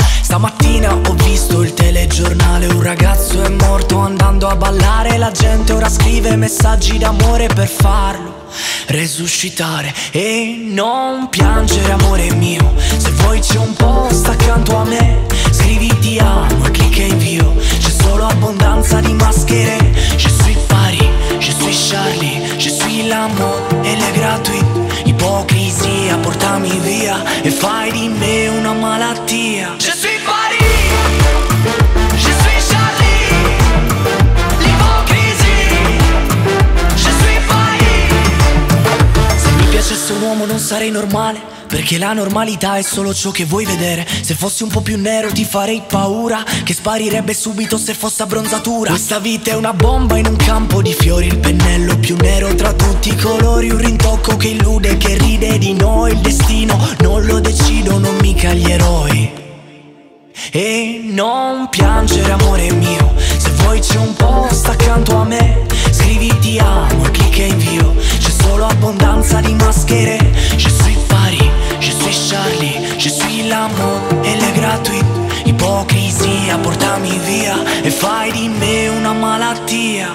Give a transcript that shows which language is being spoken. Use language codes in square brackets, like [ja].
[it] Stamattina ho visto il telegiornale, un ragazzo è morto andando a ballare. La gente ora scrive messaggi d'amore per farlo resuscitare. E non piangere amore mio, se vuoi c'è un posto accanto a me. Scrivi ti amo e clicca invio, c'è solo abbondanza di maschere. [fr] Je suis Paris, je suis Charlie, je suis l'amour e le gratuit. [it] Ipocrisia, portami via e fai di me una malattia. [fr] Je suis [it] uomo, non sarei normale, perché la normalità è solo ciò che vuoi vedere. Se fossi un po' più nero ti farei paura, che sparirebbe subito se fosse abbronzatura. Questa vita è una bomba in un campo di fiori, il pennello più nero tra tutti i colori. Un rintocco che illude, che ride di noi. Il destino non lo decido, non mica gli eroi. E non piangere amore mio, se vuoi c'è un posto accanto a me. Scrivi ti amo e clicca invio, c'è solo abbondanza di maschere. [fr] Je suis Paris, je suis Charlie, je suis l'amour e le gratuit. [it] Ipocrisia, portami via e fai di me una malattia.